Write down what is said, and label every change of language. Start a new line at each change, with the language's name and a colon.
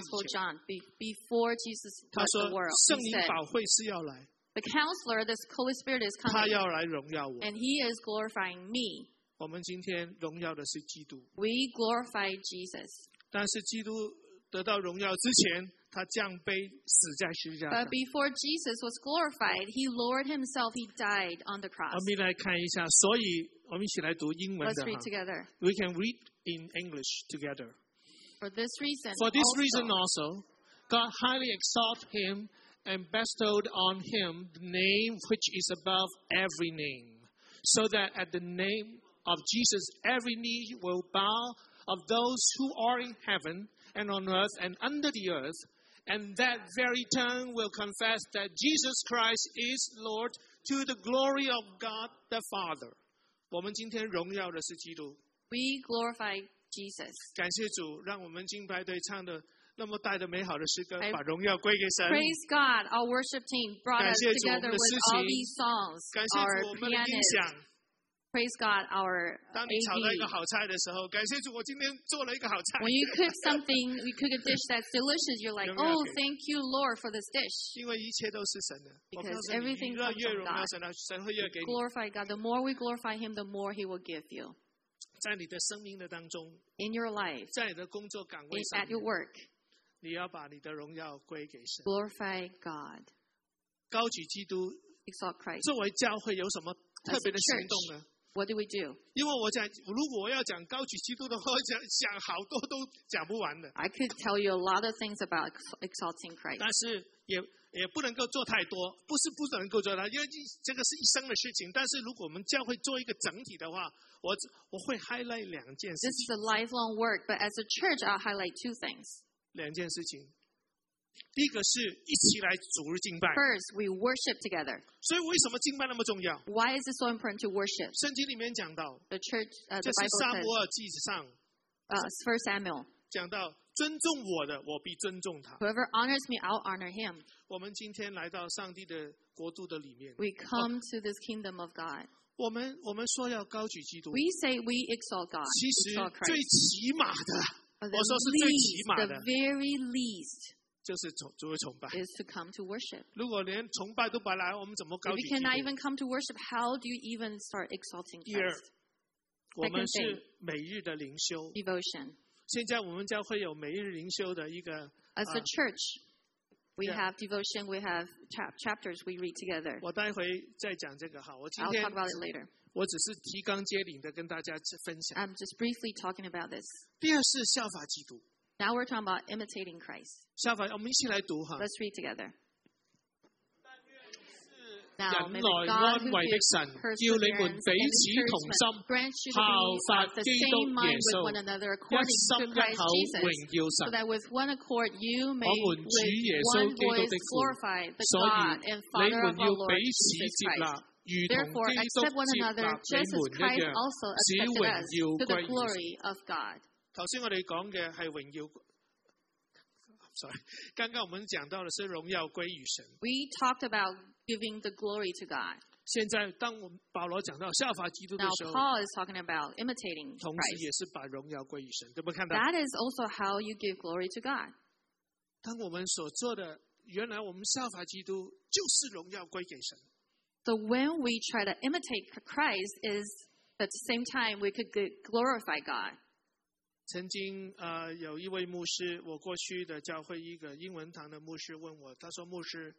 English: Gospel John, before Jesus left the world,
Chinese: 圣灵保惠是要来。
English: The counselor, this Holy Spirit is coming.
Chinese: 他要来荣耀我。
English: And he is glorifying me.
Chinese: 我们今天荣耀的是基督。
English: We glorify Jesus.
Chinese: 但是基督得到荣耀之前，他降卑死在十字架上。
English: But before Jesus was glorified, he lowered himself. He died on the cross.
Chinese: 我们来看一下，所以我们一起来读英文的。
English: Let's read together. We can read in English together. For this reason, for this reason also, God highly exalted him. And bestowed on him the name which is above every name, so that at the name of Jesus every knee will bow of those who are in heaven and on earth and under the earth, and that very tongue will confess that Jesus Christ is Lord to the glory of God the Father.
Chinese: 我们今天荣耀的是基督。
English: We glorify Jesus.
Chinese: 感谢主，让我们敬拜队唱的。那么大的美好的诗歌，把荣耀归给神。
English: Praise God, our worship team brought us together with all these songs.
Chinese: 感谢主，我们的音响。
English: Praise God, our AV.
Chinese: 当你炒了一个好菜的时候，感谢主，我今天做了一个好菜。
English: When you cook something, you cook a dish that's delicious. You're like, oh, thank you, Lord, for this dish.
Chinese: 因为一切都是神的。
English: Because everything comes from God.
Chinese: 越荣耀神，神会越给你。
English: Glorify God. The more we glorify Him, the more He will give you.
Chinese: 在你的生命的当中。
English: In your life.
Chinese: 在你的工作岗位上。
English: At your work.
Chinese: 你要把你的荣耀归给神。
English: Glorify God.
Chinese: 高举基督。
English: Exalt Christ.
Chinese: 作为教会有什么特别的行动呢
English: church, ？What do we do?
Chinese: 因为我讲，如果我要讲高举基督的话，讲好多都讲不完的。
English: I could tell you a lot of things about exalting Christ.
Chinese: 但是也也不能够做太多，不是不能够做太多，因为这个是一生的事情。但是如果我们教会做一个整体的话，我会 highlight 两件事情。
English: This is a lifelong work, but as a church, I'll highlight two things.
Chinese: 两件事情，第一个是一起来主日敬拜。
English: First, we worship together.
Chinese: 所以为什么敬拜那么重要
English: ？Why is it so important to worship?
Chinese: 圣经里面讲到
English: ，The church, the Bible says.
Chinese: 这是撒母耳记上
English: First Samuel
Chinese: 讲到。尊重我的，我必尊重他。
English: Whoever honors me, I'll honor him.
Chinese: 我们今天来到上帝的国度的里面。
English: We come to this kingdom of God.
Chinese: 我们说要高举基督。
English: We say we exalt God.
Chinese: 其实最起码的，我说是最起码的。
English: The very least.
Chinese: 就是作为崇拜。
English: Is to come to worship.
Chinese: 如果连崇拜都不来，我们怎么高举基督
English: ？If you cannot even come to worship, how do you even start exalting Christ?
Chinese: 第二，我们是每日的灵修。
English: Devotion.
Chinese: 现在我们将会有每日灵修的一个。
English: As a church, we have devotion, we have chapters we read together.
Chinese: 我待会再讲这个哈，我今天。
English: I'll talk about it later.
Chinese: 我只是提纲挈领的跟大家分享。
English: I'm just briefly talking about this.
Chinese: 第二是效法基督。
English: Now we're talking about imitating Christ.
Chinese: 效法，我们一起来读哈。
English: Let's read together.
Chinese: Now, 忍耐安慰的神，叫你们彼此同心，效法基督耶稣，一心一口荣耀神。
English: So that with one accord you may with one voice glorify the God and Father of our Lord Jesus Christ. Therefore, accept one another just as Christ also accepted us to the glory of God.
Chinese: 刚才我们讲的是荣耀。Sorry, 刚刚我们讲到的是荣耀归于神。
English: We talked about giving the glory to God.
Chinese: 现在当我们保罗讲到效法基督的时候
English: ，Now Paul is talking about imitating Christ.
Chinese: 同时也是把荣耀归于神，对不对？看到
English: That is also how you give glory to God.
Chinese: 当我们所做的，原来我们效法基督就是荣耀归给神。
English: So when we try to imitate Christ, is at the same time we could glorify God.
Chinese: 曾经有一位牧师，我过去的教会一个英文堂的牧师问我，他说：“牧师